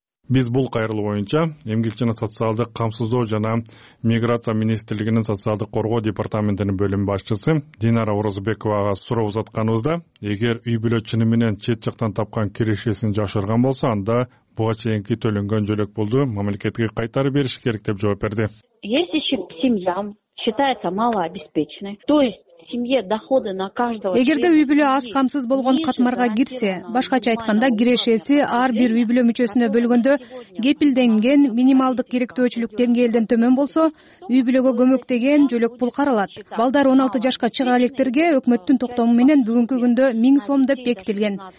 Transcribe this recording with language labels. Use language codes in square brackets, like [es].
[ky] Биз бул кайрылуу боюнча эмгек жана социалдык камсыздоо жана миграция министрлигинин социалдык коргоо департаментинин бөлүм башчысы Динара Орозбековага суроо узатканыбызда, эгер үй бүлө чыны менен чет жактан тапкан кирешесин жашырган болсо, анда буга чейинки төлөнгөн жөлөк пулду мамлекетке кайтарып бериш керек деп жооп берди. [ru] Если семья считается малообеспеченной, то есть семье доходы на каждого. [ky] Эгерде үй бүлө аз камсыз болгон катмарга кирсе, башкача айтканда кирешеси ар бир үй бүлө мүчөсүнө бөлгөндө кепилденген минималдык керектөөчүлүк деңгээлден төмөн болсо, үй бүлөгө көмөк деген жөлөк пул каралат. Балдар 16 жашка чыга электерге өкмөттүн токтому менен бүгүнкү күндө 1000 сом деп бекитилген.